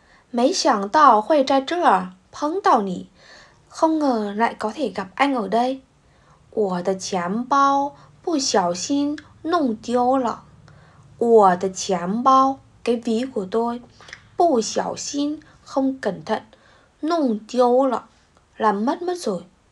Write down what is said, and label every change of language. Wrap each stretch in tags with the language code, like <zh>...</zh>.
<zh>我的钱包不小心弄丢了，身份证和银行卡都在里面，就赶紧来挂失了。男的怎么了？真巧，啊，他的巧合，没想到会在这儿碰到你。</zh> <vi>Không ngờ lại có thể gặp anh ở đây.</vi> <zh>我的钱包不小心弄丢了。我的钱包,</zh> <vi>cái ví của tôi,</vi> <zh>不小心,</zh> <vi>không cẩn thận,</vi> <zh>弄丢了,</zh> <vi>làm mất mất rồi.</vi>